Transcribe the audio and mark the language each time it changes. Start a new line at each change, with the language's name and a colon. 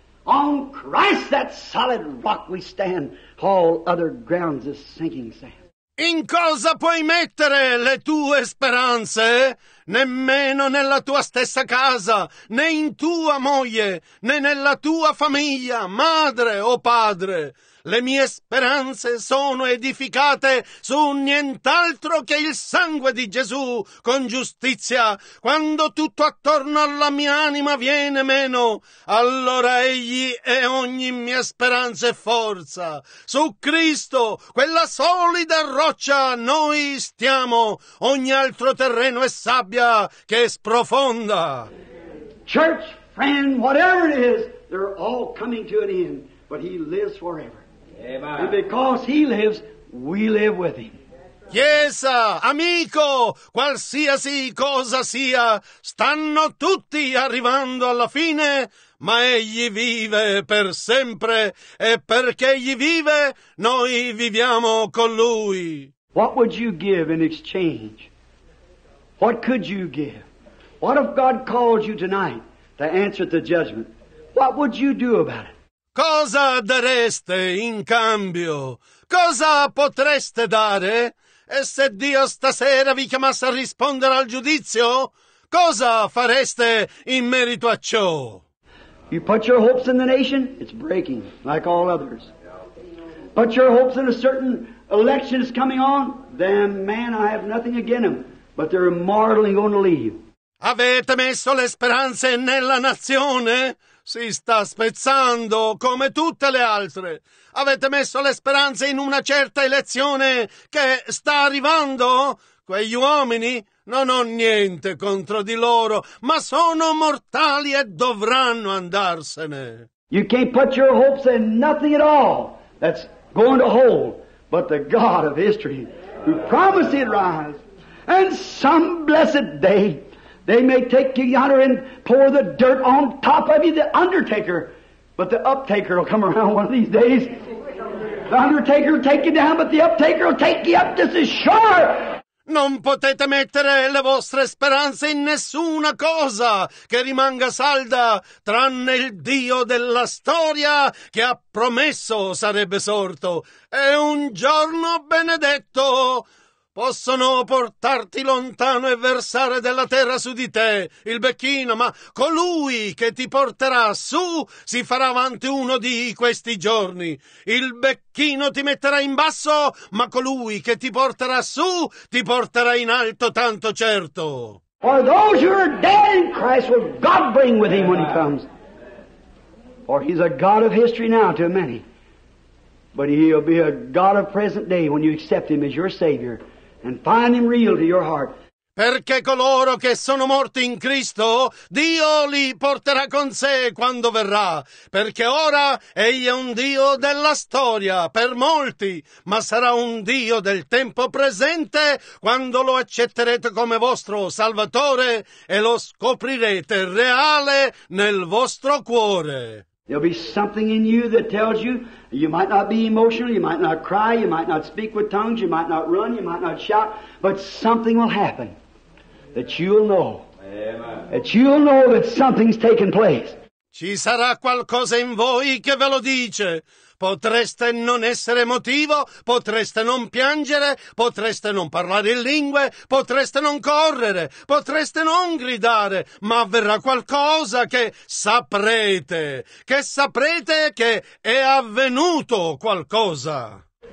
English: On Christ, that solid rock we stand, all other grounds is sinking sand.
Italian: In cosa puoi mettere le tue speranze? Nemmeno nella tua stessa casa, né in tua moglie, né nella tua famiglia, madre o padre. Le mie speranze sono edificate su nient'altro che il sangue di Gesù con giustizia. Quando tutto attorno alla mia anima viene meno, allora Egli è ogni mia speranza e forza. Su Cristo, quella solida roccia, noi stiamo. Ogni altro terreno è sabbia che sprofonda.
English: Church, friend, whatever it is, they're all coming to an end, but He lives forever. Amen. And because He lives, we live with Him.
Italian: Chiesa, amico, qualsiasi cosa sia, stanno tutti arrivando alla fine, ma Egli vive per sempre, e perché Egli vive, noi viviamo con Lui.
English: What would you give in exchange? What could you give? What if God called you tonight to answer the judgment? What would you do about it?
Italian: Cosa dareste in cambio? Cosa potreste dare? E se Dio stasera vi chiamasse a rispondere al giudizio, cosa fareste in merito a ciò?
English: You put your hopes in the nation, it's breaking, like all others. Put your hopes in a certain election is coming on, then man, I have nothing against them, but they're immortal and going to leave.
Italian: Avete messo le speranze nella nazione? Si sta spezzando come tutte le altre. Avete messo le speranze in una certa elezione che sta arrivando? Quegli uomini non ho niente contro di loro, ma sono mortali e dovranno andarsene.
English: You can't put your hopes in nothing at all that's going to hold but the God of history who promised He'd rise. And some blessed day they may take you yonder and pour the dirt on top of you, the undertaker. But the uptaker will come around one of these days. The undertaker will take you down, but the uptaker will take you up, this is sure.
Italian: Non potete mettere le vostre speranze in nessuna cosa che rimanga salda, tranne il Dio della storia che ha promesso sarebbe sorto. È un giorno benedetto. Possono portarti lontano e versare della terra su di te il becchino, ma colui che ti porterà su si farà avanti uno di questi giorni. Il becchino ti metterà in basso, ma colui che ti porterà su ti porterà in alto, tanto certo.
English: For those who are dead in Christ will God bring with Him when He comes. For He's a God of history now to many. But He'll be a God of present day when you accept Him as your Savior. And find Him real to your heart.
Italian: Perché coloro che sono morti in Cristo, Dio li porterà con sé quando verrà. Perché ora Egli è un Dio della storia per molti, ma sarà un Dio del tempo presente quando lo accetterete come vostro Salvatore e lo scoprirete reale nel vostro cuore.
English: There'll be something in you that tells you, you might not be emotional, you might not cry, you might not speak with tongues, you might not run, you might not shout, but something will happen that you'll know. Amen. That you'll know that something's taken place.
Italian: Ci sarà qualcosa in voi che ve lo dice. Potreste non essere emotivo, potreste non piangere, potreste non parlare in lingue, potreste non correre, potreste non gridare, ma avverrà qualcosa che saprete che è avvenuto qualcosa.